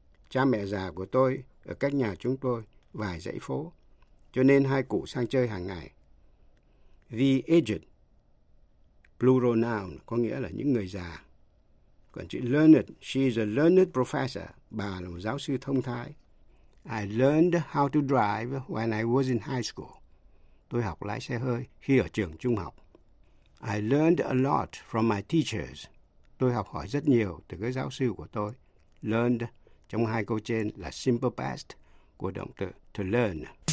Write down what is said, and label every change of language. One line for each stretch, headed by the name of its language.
Vietnamese: Cha mẹ già của tôi ở cách nhà chúng tôi vài dãy phố, cho nên hai cụ sang chơi hàng ngày.
English: The aged, plural noun,
Vietnamese: có nghĩa là những người già. Còn chị learned,
English: she's a learned professor,
Vietnamese: bà là một giáo sư thông thái.
English: I learned how to drive when I was in high school.
Vietnamese: Tôi học lái xe hơi khi ở trường trung học.
English: I learned a lot from my teachers.
Vietnamese: Tôi học hỏi rất nhiều từ các giáo sư của tôi. Learned trong hai câu trên là simple past của động từ to learn.